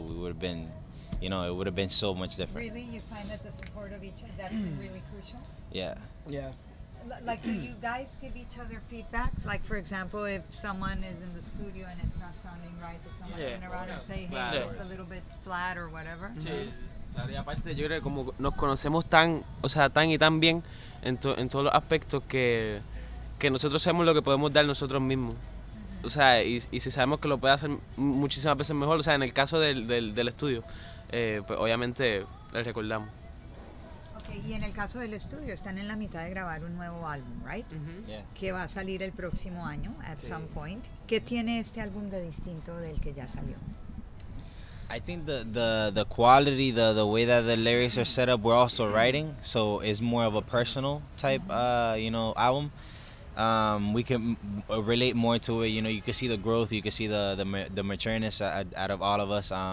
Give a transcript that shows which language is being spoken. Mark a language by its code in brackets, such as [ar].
[en] We would have been, you know, it would have been so much different. Really? You find that the support of each other, that's been really crucial? Yeah. Yeah. Like, do you guys give each other feedback? Like, for example, if someone is in the studio and it's not sounding right, does someone turn around and say, hey, it's a little bit flat or whatever? [es] Y aparte, yo creo que como nos conocemos tan, o sea, tan y tan bien en, to, en todos los aspectos que nosotros sabemos lo que podemos dar nosotros mismos. O sea, y si sabemos que lo puede hacer muchísimas veces mejor, o sea, en el caso del estudio, pues obviamente le recordamos. Ok, y en el caso del estudio, están en la mitad de grabar un nuevo álbum, ¿right? Mm-hmm. [en] Yeah. [es] Que va a salir el próximo año, at some point. ¿Qué tiene este álbum de distinto del que ya salió? [en] I think the quality, the way that the lyrics are set up, we're also writing, so it's more of a personal type, you know, album. We can relate more to it, you know, you can see the growth, you can see the matureness out of all of us.